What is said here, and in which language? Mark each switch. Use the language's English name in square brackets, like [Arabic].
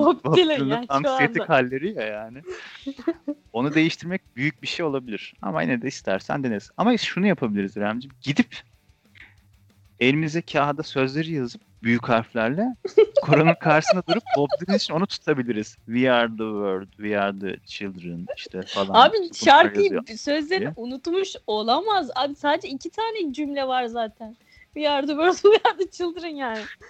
[Turkish] Bob Dylan'ın yani anksiyetik halleri ya yani. Onu değiştirmek büyük bir şey olabilir. Ama yine de istersen deneriz. Ama şunu yapabiliriz İremciğim. Gidip elimize kağıda sözleri yazıp büyük harflerle koronun karşısında durup Bob Dylan için onu tutabiliriz. [English] We are the world, we are the children [Turkish] işte falan. Abi şarkıyı sözlerini unutmuş olamaz. Abi sadece iki tane cümle var zaten. [English] We are the world, we are the children [Turkish] yani.